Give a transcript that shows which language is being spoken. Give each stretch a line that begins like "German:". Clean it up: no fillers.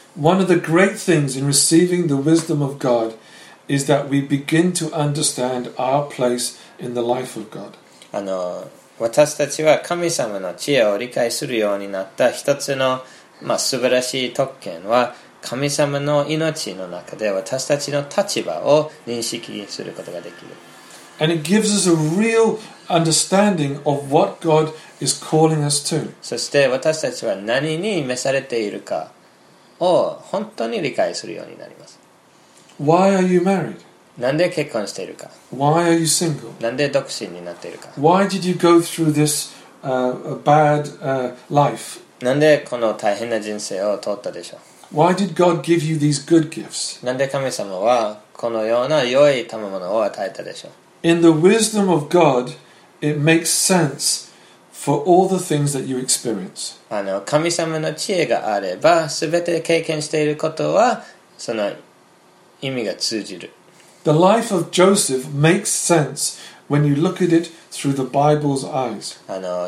English: One of the great things in receiving the wisdom of God. Is that we begin to understand our place in the life of God.
Japanese: 私たちは神様の知恵を理解するようになった一つの、まあ、素晴らしい特権は神様の命の中で私たちの立場を認識することができる。
English: And it gives us a real understanding of what God is calling us to.
Japanese: そして私たちは何に召されているかを本当に理解するようになります。
English: Why are you married?
Japanese: なんで結婚しているか。
English: Why are you single?
Japanese: なんで独身になっているか。
English: Why did you go through this bad life?
Japanese: なんでこの大変な人生を通ったでしょう。
English: Why did God give you these good gifts?
Japanese: なんで神様はこのような良い賜物を与えたでしょう。
English: In the wisdom of God, it makes sense for all the things that you experience.
Japanese: 神様の知恵があれば、すべて経験していることはその意味が通じる。
English: The life of Joseph makes sense when you look at it through the Bible's eyes.